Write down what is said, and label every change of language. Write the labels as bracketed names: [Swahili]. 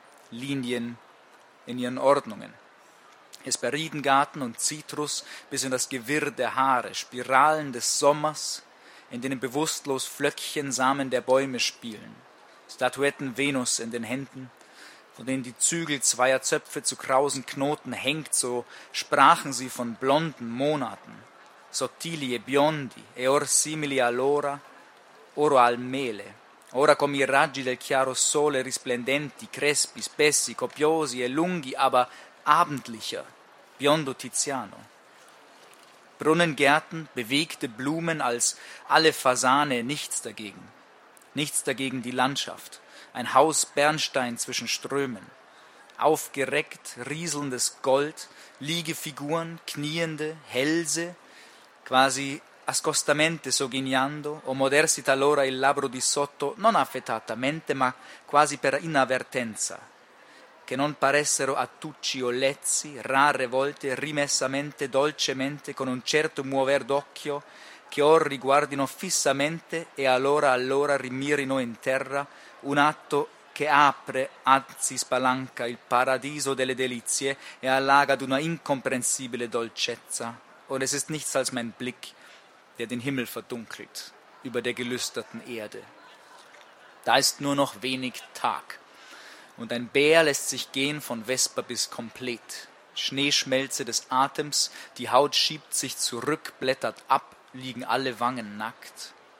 [German] L'Indien in ihren Ordnungen. Hesperidengarten und Zitrus bis in das Gewirr der Haare, Spiralen des Sommers, in denen bewusstlos Flöckchen Samen der Bäume spielen, Statuetten Venus in den Händen, von denen die Zügel zweier Zöpfe zu krausen Knoten hängt, so sprachen sie von blonden Monaten. [Italian] Sottili e biondi, e or simili all'ora, oro al mele, ora come i raggi del chiaro sole risplendenti, crespi, spessi, copiosi e lunghi, [German] aber abendlicher, [Italian] biondo Tiziano. [German] Brunnengärten, bewegte Blumen als alle Fasane, nichts dagegen. Nichts dagegen die Landschaft, ein Haus Bernstein zwischen Strömen. Aufgereckt, rieselndes Gold, Liegefiguren, kniende, Hälse, [Italian] quasi ascostamente sogignando, o modersi talora il labbro di sotto, non affettatamente, ma quasi per inavvertenza, che non paressero attucci o lezzi, rare volte, rimessamente, dolcemente, con un certo muover d'occhio, che or riguardino fissamente e allora allora rimirino in terra, un atto che apre, anzi spalanca, il paradiso delle delizie e allaga ad una incomprensibile dolcezza. [German] Und es ist nichts als mein Blick, der den Himmel verdunkelt über der gelüsterten Erde. Da ist nur noch wenig Tag. Und ein Bär lässt sich gehen von Vesper bis Komplett. Schneeschmelze des Atems, die Haut schiebt sich zurück, blättert ab, liegen alle Wangen nackt.